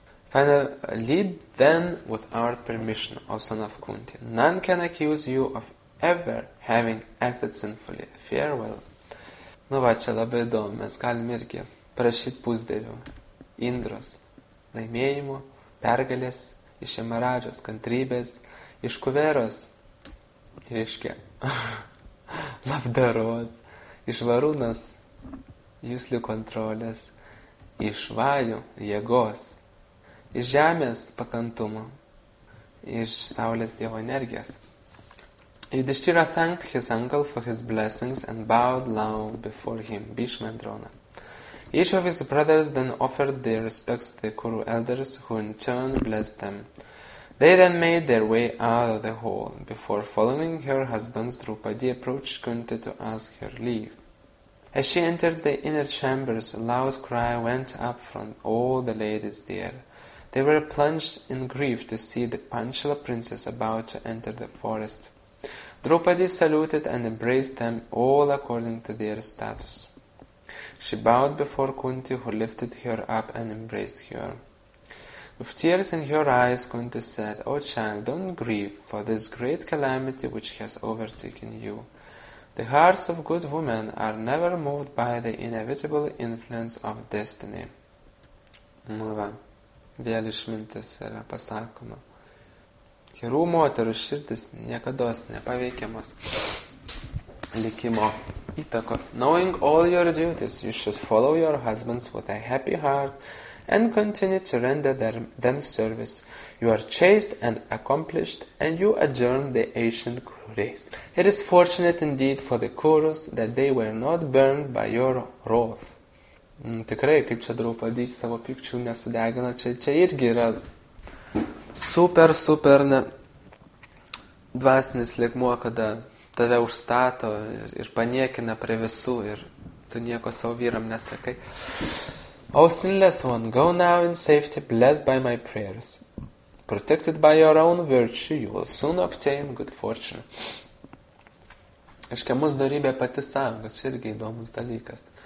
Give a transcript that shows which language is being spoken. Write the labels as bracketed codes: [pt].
[en] Finally, Vidura said, "Then, with our permission, O son of Kunti, none can accuse you of ever having acted sinfully. Farewell." [lt] Nu va, čia labai įdomu, mes galim irgi prašyti pusdievių Indros laimėjimų, pergalės iš Emaradžios, kantrybės iš Kuveros, reiškia, labdaros iš Varūnas, juslių kontrolės iš Vajų, jėgos iš žemės pakantumo, iš saulės dievo energijos. [en] Yudhishthira thanked his uncle for his blessings and bowed low before him, Bhishma and Drona. Each of his brothers then offered their respects to the Kuru elders, who in turn blessed them. They then made their way out of the hall, before following her husband's Drupadi approached Kunti to ask her leave. As she entered the inner chambers, a loud cry went up from all the ladies there. They were plunged in grief to see the Panchala princess about to enter the forest. Draupadi saluted and embraced them all according to their status. She bowed before Kunti, who lifted her up and embraced her. With tears in her eyes, Kunti said, "O child, don't grieve for this great calamity which has overtaken you. The hearts of good women are never moved by the inevitable influence of destiny." [lt] Nu va, vėl išmintis yra pasakoma. Gerų moterų širdis niekados nepaveikiamos likimo įtakos. [en] Knowing all your duties, you should follow your husbands with a happy heart and continue to render them service. You are chaste and accomplished, and you adorn the ancient race. It is fortunate indeed for the Kurus that they were not burned by your wrath. [lt] Tikrai, kaip čia Draupadi savo pykčių nesudegino, čia irgi yra super, super dvasinis lygmuo, kada tave užstato ir paniekina prie visų ir tu nieko savo vyram nesakai. [en] O sinless one, go now in safety, blessed by my prayers. Protected by your own virtue, you will soon obtain good fortune. [lt] Iškia, mūsų darybė pati sąjunga, čia irgi įdomus dalykas.